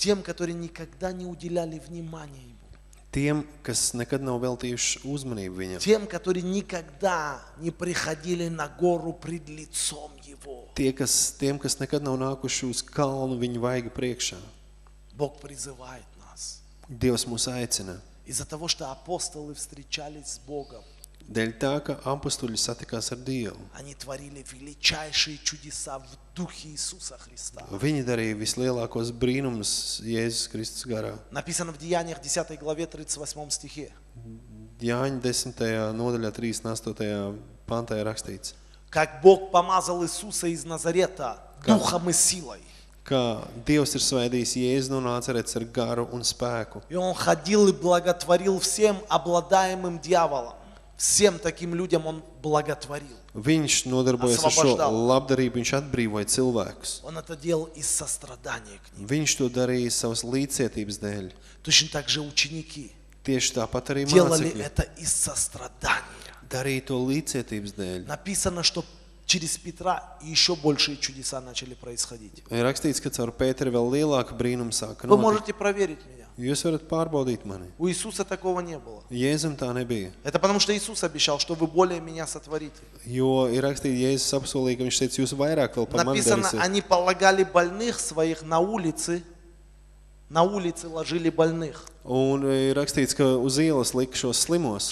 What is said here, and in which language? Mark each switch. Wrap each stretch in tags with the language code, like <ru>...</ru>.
<ru>Тем, которые никогда не уделяли внимания ему. Тем,</ru> <lv>kas nekad nav veltījuši uzmanību viņam.</lv> <ru>Тем, которые никогда не приходили на гору пред лицом его. Тем,</ru> <lv>kas nekad nav nākuši uz kalnu viņa vaiga priekšā.</lv> <ru>Бог призывает нас.</ru> <lv>Dievs mūs aicina.</lv> <ru>Из-за того, что апостолы встречались с Богом.</ru> <lv>Dēļ tā, ka apostuļi satikās ar Dievu.</lv> <ru>Они творили величайшие чудеса в духе Иисуса Христа.</ru> <lv>Viņi darīja vislielākos brīnumus Jēzus Kristus garā.</lv> <ru>Написано в Деяниях 10 главе 38 стихе.</ru> <lv>Деяния 10 nodaļā 38 pantā ir rakstīts.</lv> <ru>Как Бог помазал Иисуса из Назарета духом и силой.</ru> <lv>Ka Dievs ir svaidījis Jēzus no Nācarets ar garu un spēku.</lv> <ru>И он ходил и благотворил всем обладаемым дьяволом. Всем таким людям он благотворил.</ru> <lv>Viņš nodarbojas ar šo labdarību, viņš atbrīvoja cilvēkus.</lv> <ru>Он это делал из сострадания к ним.</ru> <lv>Viņš to darīja savas līdzcietības dēļ.</lv> <ru>Точно так же ученики.</ru> <lv>Tieši tāpat arī mācekļi.</lv> <ru>Делали это из сострадания.</ru> <lv>Darīja to līdzcietības dēļ.</lv> <ru>Написано, что через Петра еще большие чудеса начали происходить.</ru> <lv>Ir rakstīts, ka caur Pēteri vēl lielāki brīnumi sāka notikt.</lv> <ru>Вы можете проверить меня.</ru> <lv>Jūs varat pārbaudīt mani.</lv> <ru>У Иисуса такого не было.</ru> <lv>Jēzum tā nebija.</lv> <ru>Это потому что Иисус обещал, что вы более меня сотворите.</ru> <lv>Jo ir rakstīts, Jēzus apsolīja, ka viņš teica, jūs vairāk vēl par mani darīsiet.</lv> <ru>Написано, они полагали больных своих на улице ложили больных.</ru> <lv>Un ir rakstīts, ka uz ielas lika šos slimos.</lv>